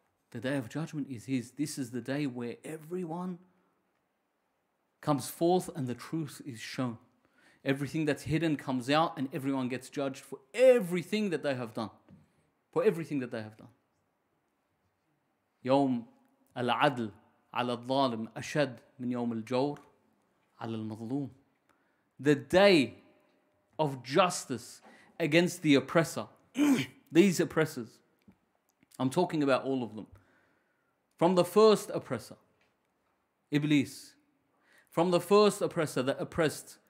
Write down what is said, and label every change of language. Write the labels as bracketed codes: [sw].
[en] The Day of Judgment is his. This is the day where everyone... comes forth and the truth is shown. Everything that's hidden comes out and everyone gets judged for everything that they have done. For everything that they have done. [ar] يوم العدل على الظالم أشد من يوم الجور على المظلوم. [en] The day of justice against the oppressor. These oppressors. I'm talking about all of them. From the first oppressor, Iblis. From the first oppressor that oppressed